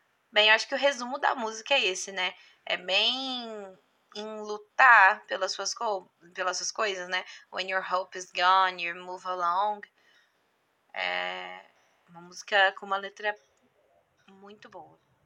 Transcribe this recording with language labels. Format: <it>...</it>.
<pt>Bem, acho que o resumo da música é esse, né? É bem em lutar pelas suas coisas, né?</pt> <en>When your hope is gone, you move along.</en> <pt>É uma música com uma letra muito boa.</pt>